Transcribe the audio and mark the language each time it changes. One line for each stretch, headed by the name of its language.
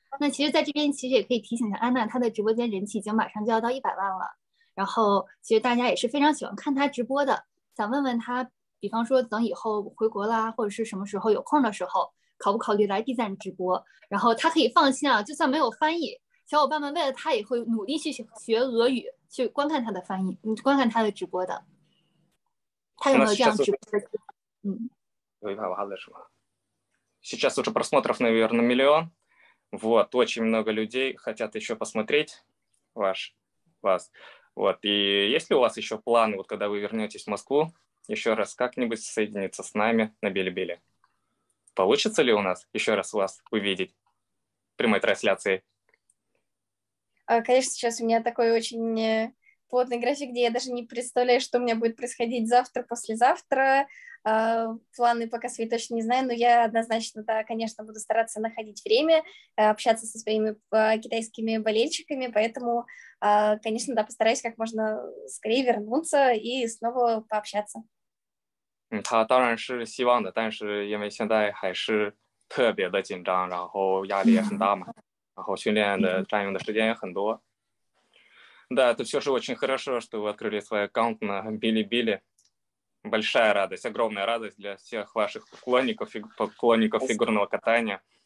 Chinese: 那其实，在这边其实也可以提醒一下安娜，她的直播间人气已经马上就要到100万了。然后，其实大家也是非常喜欢看她直播的。想问问她，比方说等以后回国啦，或者是什么时候有空的时候，考不考虑来B站直播？然后她可以放心啊，就算没有翻译，小伙伴们为了她也会努力去学俄语，去观看她的翻译，观看她的直播的。她有没有这样直播的机会？嗯。有一百万了是吗？
Russian: сейчас уже просмотров, наверное, миллион. Вот, очень много людей хотят еще посмотреть вас. Вот, и есть ли у вас еще планы, вот когда вы вернетесь в Москву, еще раз как-нибудь соединиться с нами на Билибили? Получится ли у нас еще раз вас увидеть в прямой трансляции? Конечно, сейчас у меня такой очень плотный график, где я даже не представляю, что у меня будет происходить завтра, послезавтра. Планы пока свои точно не знаю, но я однозначно, да, конечно, буду стараться находить время, общаться со своими китайскими болельщиками, поэтому, конечно, да, постараюсь как можно скорее вернуться и снова пообщаться.
Chinese: 他当然是希望的，但是因为现在还是特别的紧张，然后压力也很大嘛，然后训练的占用的时间也很多。
Russian: Да, это все же очень хорошо, что вы открыли свой аккаунт на Билибили. Большая радость, огромная радость для всех ваших поклонников и поклонников фигурного катания.